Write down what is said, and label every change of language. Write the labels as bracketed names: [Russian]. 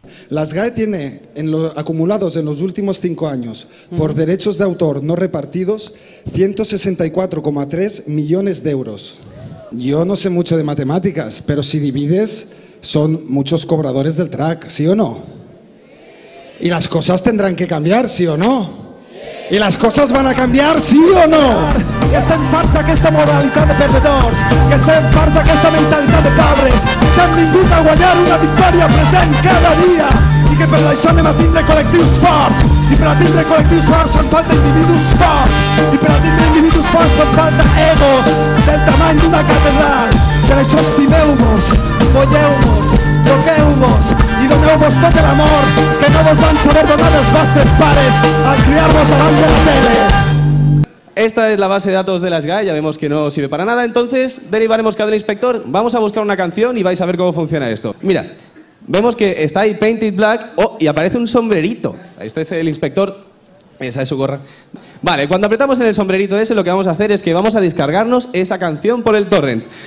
[Spanish] Las GAE tiene acumulados en los últimos 5 años por derechos de autor no repartidos 164,3 millones de euros. Yo no sé mucho de matemáticas, pero si divides son muchos cobradores del track, ¿sí o no? Y las cosas tendrán que cambiar, ¿sí o no? [Catalan] I les coses van a canviar, sí o no? Que estem farts d'aquesta modalitat de perdedors, que estem farts d'aquesta mentalitat de pobres, que hem vingut a guanyar una victòria present cada dia i que per això anem a tindre col·lectius forts. I per a tindre col·lectius forts fan falta individus forts. I per a tindre individus forts fan falta egos del tamany d'una catedral. Per això estimeu-vos, folleu-vos, toqueu-vos i doneu-vos tot l'amor que no vos van saber donar els vostres pares al criar-vos davant de la tele. [Spanish] Esta es la base de datos de las GAE, ya vemos que no sirve para nada, entonces derivaremos cada inspector, vamos a buscar una canción y vais a ver cómo funciona esto. Mira, vemos que está ahí Painted Black, y aparece un sombrerito. Este es el inspector, esa es su gorra. Vale, cuando apretamos en el sombrerito ese lo que vamos a hacer es que vamos a descargarnos esa canción por el torrent.